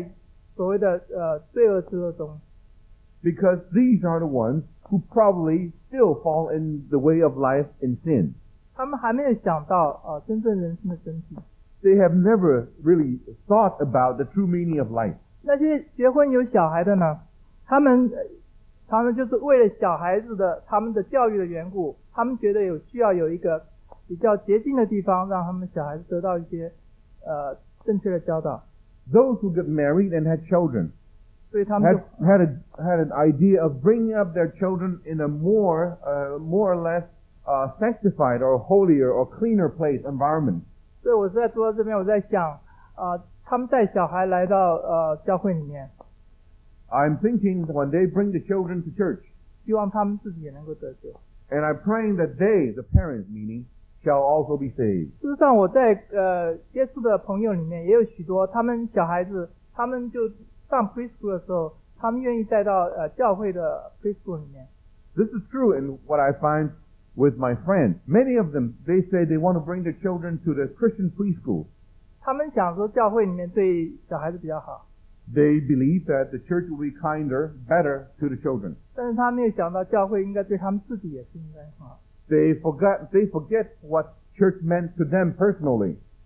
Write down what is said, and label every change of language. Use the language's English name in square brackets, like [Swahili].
[Chinese] 因为那些单身的，或者是结婚没有小孩的，他们都是在沉溺在所谓的罪恶之恶中。 [English] Because these are the ones who probably still fall in the way of life in sin. [Chinese] 他们还没有想到真正人生的真谛。 [English] They have never really thought about the true meaning of life. [Chinese] 那些结婚有小孩的呢，他们就是为了小孩子的他们的教育的缘故，他们觉得有需要有一个比较洁净的地方，让他们小孩子得到一些正确的教导。 [English] Those who get married and had children had an idea of bringing up their children in a more or less sanctified or holier or cleaner place environment. [Chinese] 对，我是在坐在这边，我在想，他们带小孩来到教会里面。 [English] I'm thinking when they bring the children to church. [Chinese] 希望他们自己也能够得救。 [English] And I'm praying that they, the parents, meaning, shall also be saved. [Chinese] 事实上我在接触的朋友里面也有许多他们小孩子他们就上 preschool 的时候他们愿意带到教会的 preschool 里面。 [English] This is true in what I find with my friends. Many of them, they say they want to bring their children to the Christian preschool. [Chinese] 他们想说教会里面对小孩子比较好。 [English] They believe that the church will be kinder, better to the children. [Chinese] 但是他没有想到教会应该对他们自己也是应该好。 [English] They forget what church meant to them personally.